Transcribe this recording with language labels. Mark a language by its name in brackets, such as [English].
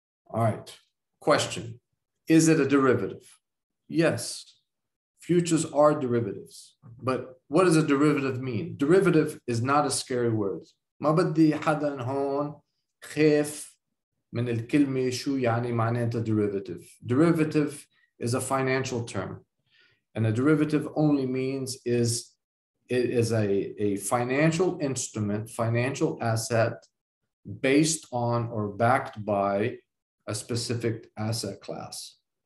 [English] All right, question. Is it a derivative? Yes, futures are derivatives. But what does a derivative mean? Derivative is not a scary word. [Arabic] ما بدي حدا هون خيف من الكلمة شو يعني معناتها derivative. [English] Derivative is a financial term. And a derivative only means is it is a financial instrument, financial asset based on or backed by a specific asset class.